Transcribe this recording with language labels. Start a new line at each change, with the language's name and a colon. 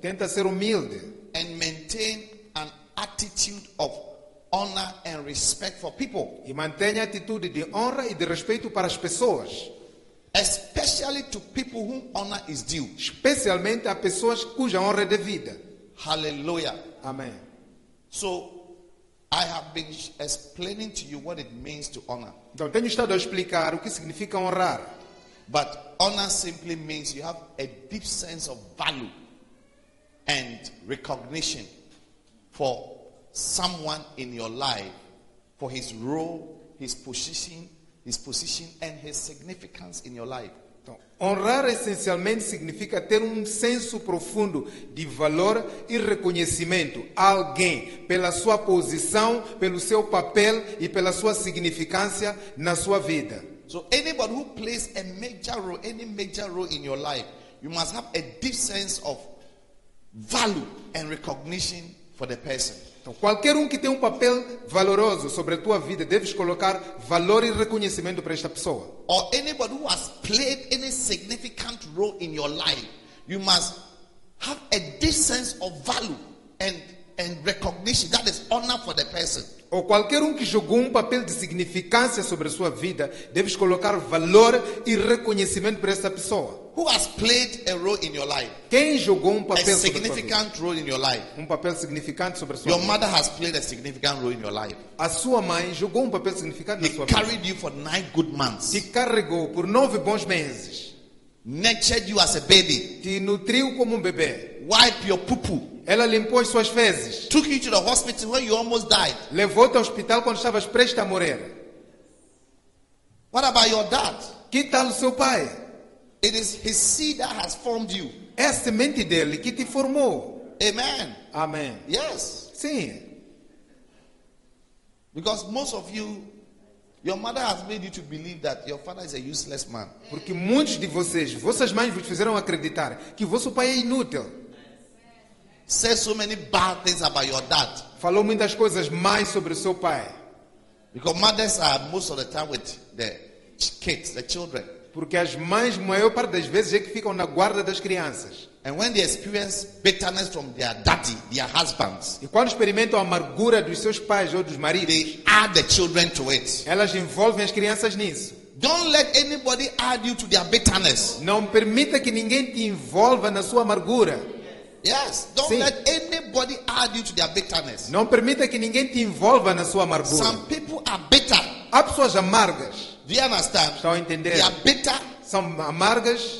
Portuguese: Tenta ser humilde.
English: And maintain an attitude of honor and respect for people.
Portuguese: E mantenha a atitude de honra e de respeito para as pessoas.
English: Especially to people whom honor is due.
Portuguese: Especialmente a pessoas cuja honra é devida.
English: Hallelujah. Amen. So, I have been explaining to you what it means to honor.
Portuguese: Então, tenho estado a explicar o que significa honrar.
English: But honor simply means you have a deep sense of value and recognition for someone in your life for his role, his position and his significance in your life.
Portuguese: Então, honrar essencialmente significa ter senso profundo de valor e reconhecimento a alguém pela sua posição, pelo seu papel e pela sua significância na sua vida.
English: So anybody who plays a major role, any major role in your life, you must have a deep sense of value and recognition for the person.
Portuguese: Então, qualquer que tem papel valoroso sobre a tua vida, deves colocar valor e reconhecimento para esta pessoa.
English: Or anybody who has played any significant role in your life, you must have a deep sense of value and recognition. That is honor for the person.
Portuguese: Ou qualquer que jogou papel de significância sobre a sua vida, deves colocar valor e reconhecimento para essa pessoa.
English: Who has played a role in your life?
Portuguese: Quem jogou papel
English: a significant
Portuguese: sobre
English: a role in your life?
Portuguese: Papel significante sobre a sua
English: your
Portuguese: vida.
English: Your mother has played a significant role in your life.
Portuguese: A sua mãe jogou papel significante
English: he
Portuguese: na sua vida.
English: He carried you for 9 good months.
Portuguese: Te carregou por 9 bons meses.
English: Nurtured you as a baby.
Portuguese: Te nutriu como bebê.
English: Wiped your poo-poo.
Portuguese: Ela limpou as suas fezes.
English: Took you to the hospital when you almost died.
Portuguese: Levou-te ao hospital quando estavas prestes a morrer.
English: What about your dad?
Portuguese: Que tal o seu pai?
English: It is his seed that has formed you.
Portuguese: É a semente dele que te formou.
English: Amen. Amen. Yes.
Portuguese: Sim.
English: Because most of you, your mother has made you to believe that your father is a useless man.
Portuguese: Porque muitos de vocês, vossas mães vos fizeram acreditar que vosso pai é inútil.
English: Said so many bad things about your dad.
Portuguese: Falou muitas coisas mais sobre seu pai.
English: Because mothers are most of the time with the kids, the children.
Portuguese: Porque as mães, maior parte das vezes, é que ficam na guarda das crianças.
English: And when they experience bitterness from their daddy, their husbands,
Portuguese: e quando experimentam a amargura dos seus pais ou dos maridos,
English: they add the children to it.
Portuguese: Elas envolvem as crianças nisso.
English: Don't let anybody add you to their bitterness.
Portuguese: Não permita que ninguém te envolva na sua amargura.
English: Yes, don't
Portuguese: sim.
English: Let anybody add you to their bitterness.
Portuguese: Não permita que ninguém te envolva na sua amargura.
English: Some people are bitter.
Portuguese: Há pessoas amargas.
English: Do you understand?
Portuguese: Estão a entender?
English: They are bitter.
Portuguese: São amargas.